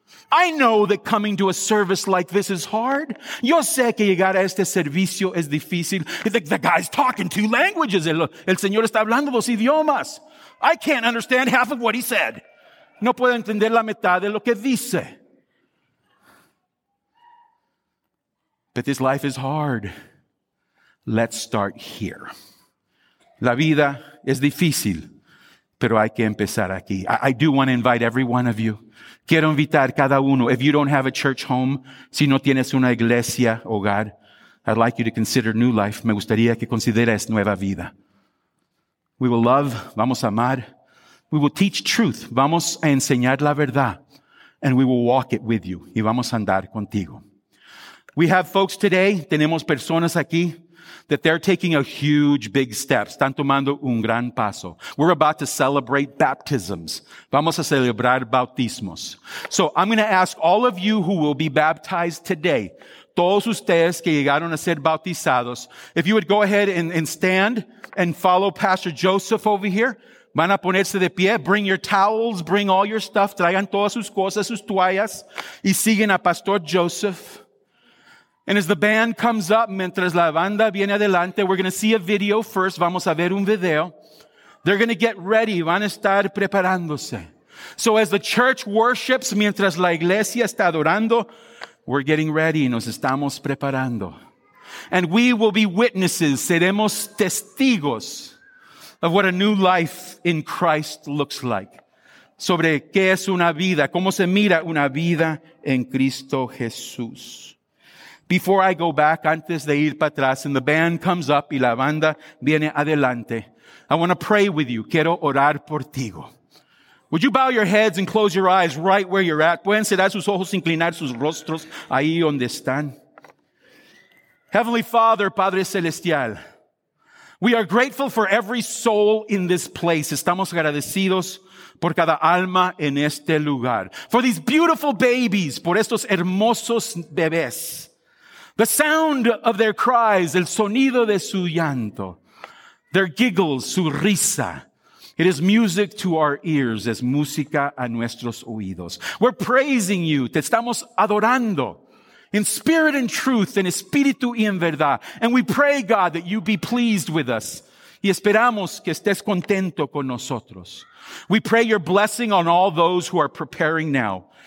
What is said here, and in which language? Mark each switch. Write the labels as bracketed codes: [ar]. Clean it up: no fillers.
[en] I know that coming to a service like this is hard. [es] Yo sé que llegar a este servicio es difícil. [en] The guy's talking two languages. [es] El Señor está hablando dos idiomas. [en] I can't understand half of what he said. [es] No puedo entender la mitad de lo que dice. [en] But this life is hard. Let's start here. [es] La vida es difícil, pero hay que empezar aquí. [en] I do want to invite every one of you. [es] Quiero invitar cada uno. [en] If you don't have a church home, [es] si no tienes una iglesia, hogar, [en] I'd like you to consider new life. [es] Me gustaría que consideres nueva vida. [en] We will love. [es] Vamos a amar. [en] We will teach truth. [es] Vamos a enseñar la verdad. [en] And we will walk it with you. [es] Y vamos a andar contigo. [en] We have folks today. [es] Tenemos personas aquí. [en] That they're taking a huge, big step. [es] Están tomando un gran paso. [en] We're about to celebrate baptisms. [es] Vamos a celebrar bautismos. [en] So I'm going to ask all of you who will be baptized today, [es] todos ustedes que llegaron a ser bautizados, [en] if you would go ahead and stand and follow Pastor Joseph over here. [es] Van a ponerse de pie. [en] Bring your towels. Bring all your stuff. [es] Traigan todas sus cosas, sus toallas. Y siguen a Pastor Joseph. [en] And as the band comes up, [es] mientras la banda viene adelante, [en] we're going to see a video first. [es] Vamos a ver un video. [en] They're going to get ready. [es] Van a estar preparándose. [en] So as the church worships, [es] mientras la iglesia está adorando, [en] we're getting ready. [es] Nos estamos preparando. [en] And we will be witnesses. [es] Seremos testigos [en] of what a new life in Christ looks like. [es] Sobre qué es una vida. Cómo se mira una vida en Cristo Jesús. [en] Before I go back, [es] antes de ir para atrás, [en] and the band comes up [es] y la banda viene adelante, [en] I want to pray with you. [es] Quiero orar por ti. [en] Would you bow your heads and close your eyes right where you're at? [es] Pueden cerrar sus ojos, inclinar sus rostros ahí donde están. [en] Heavenly Father, [es] Padre Celestial, [en] we are grateful for every soul in this place. [es] Estamos agradecidos por cada alma en este lugar. [en] For these beautiful babies, [es] por estos hermosos bebés. [en] The sound of their cries, [es] el sonido de su llanto, [en] their giggles, [es] su risa. [en] It is music to our ears, [es] es música a nuestros oídos. [en] We're praising you, [es] te estamos adorando [en] in spirit and truth, [es] en espíritu y en verdad. [en] And we pray, God, that you be pleased with us. [es] Y esperamos que estés contento con nosotros. [en] We pray your blessing on all those who are preparing now.